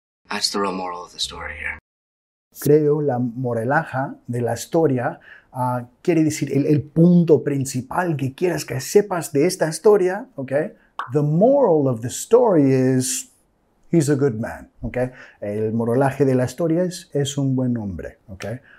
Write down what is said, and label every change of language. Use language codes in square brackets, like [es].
[en] That's the real moral of the story here. [es] Creo la moraleja de la historia quiere decir el punto principal que quieras que sepas de esta historia, okay? [en] The moral of the story is he's a good man, okay? [es] El moralaje de la historia es un buen hombre, okay?